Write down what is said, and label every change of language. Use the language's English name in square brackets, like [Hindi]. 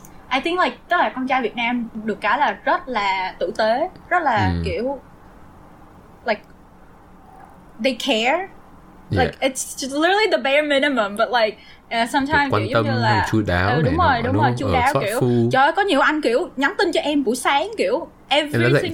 [English] I think like, [Vietnamese] tức là con trai Việt Nam được cái là rất là tử tế, rất là kiểu [English] like they care. It's just literally the bare minimum, but like sometimes [Vietnamese] kiểu như là chú đáo, đúng rồi chú đáo, kiểu trời ơi, có nhiều anh kiểu nhắn tin cho em buổi sáng kiểu [English] every single day,